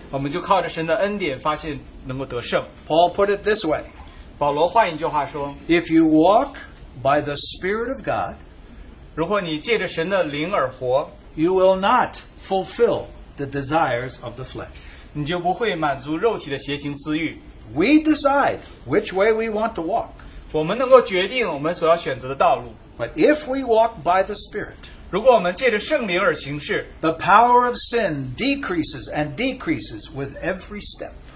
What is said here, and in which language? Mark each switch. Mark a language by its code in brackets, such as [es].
[zh] 我们就靠着神的恩典发现能够得胜。 [en] Paul put it this way. [zh] 保罗换一句话说, [en] if you walk by the Spirit of God, [zh] 如果你借着神的灵而活, [en] you will not fulfill the desires of the flesh. [zh] 你就不会满足肉体的邪情私欲。 [en] We decide which way we want to walk. [zh] 我们能够决定我们所要选择的道路。 [en] But if we walk by the Spirit, [zh] 如果我们借着圣灵而行事, [en] the power of sin decreases and decreases with every step.